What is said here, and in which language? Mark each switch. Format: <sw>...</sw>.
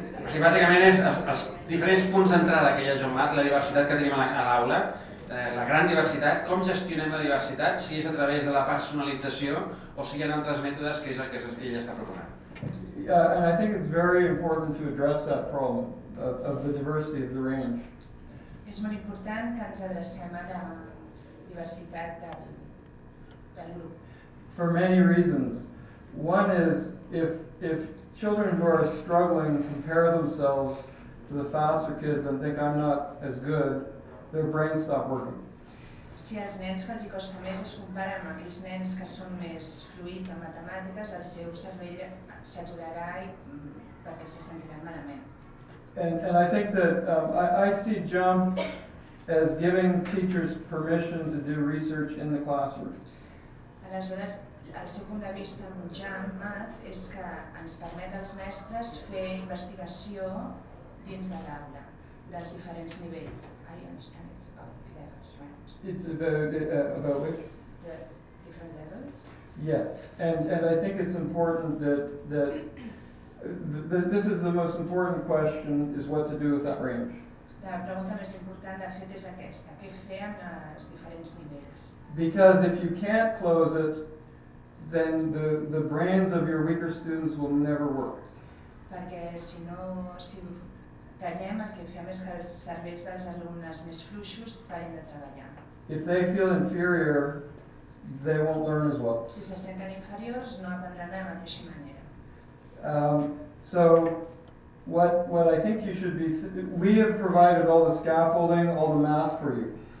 <ca>Sí, bàsicament és els diferents punts d'entrada que hi ha JUMP Math, la diversitat que tenim a l'aula, la gran diversitat, com gestionem la diversitat, si és a través de la personalització o si hi ha altres mètodes, que és el que ell està proposant.</ca> <en>And I think it's very important to address that problem of the diversity of the range.</en> <ca>És molt important que ens adrecem a la diversitat del grup.</ca> <en>For many reasons. One is, if children who are struggling compare themselves to the faster kids and think I'm not as good, their brains stop working.</en> <ca>Si els nens que els costa més es comparen amb aquells nens que són més fluïts en matemàtiques, el seu cervell s'aturarà perquè se sentiran malament.</ca> <en>And I think that I see JUMP as giving teachers permission to do research in the classroom.</en> <ca>Aleshores, el seu punt de vista amb JUMP Math és que ens permet als mestres fer investigació dins de l'aula, dels diferents nivells.</ca> <en>I understand it's about levels, right? It's about which? The different levels? Yes, and I think it's important that this is the most important question, is what to do with that range.</en> <ca>La pregunta més important, de fet, és aquesta. Què fer amb els diferents nivells?</ca> <en>Because if you can't close it, then the brains of your weaker students will never work.</en> <ca>Perquè si no, si tallem, el que fem és que els cervells dels alumnes més fluixos parin de treballar.</ca> <en>If they feel inferior, they won't learn as well.</en> <ca>Si se senten inferiors, no aprendran de la mateixa manera.</ca> <en>So what I think you should be, we have provided all the scaffolding, all the math for you.</en>